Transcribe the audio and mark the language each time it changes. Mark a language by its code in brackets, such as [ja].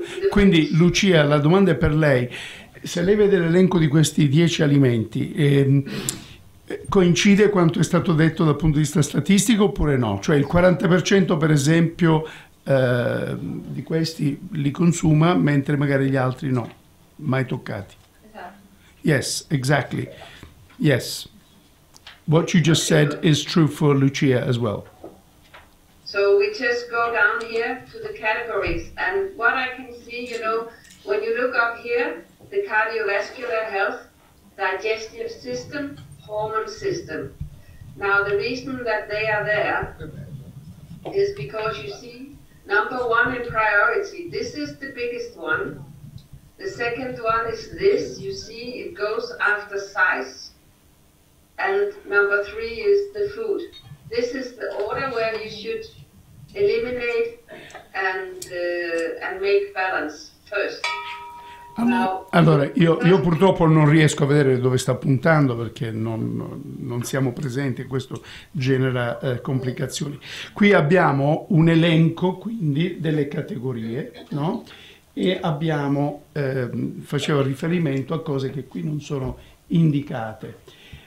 [it] Quindi Lucia, la domanda è per lei, se lei vede l'elenco di questi 10 alimenti, coincide quanto è stato detto dal punto di vista statistico oppure no? Cioè il 40% per esempio di questi li consuma mentre magari gli altri no, mai toccati. Esatto. [en] Yes, exactly. Yes. What you just said is true for Lucia as well. So we just go down here to the categories and what I can see, you know, when you look up here, the cardiovascular health, digestive system, hormone system. Now the reason that they are there is because you see number one in priority, this is the biggest one. The second one is this, you see it goes after size. And number three is the food. This is the order where you should eliminate and make balance first. [it] Allora, io purtroppo non riesco a vedere dove sta puntando perché non siamo presenti e questo genera complicazioni. Qui abbiamo un elenco quindi delle categorie, no? E abbiamo, facevo riferimento a cose che qui non sono indicate.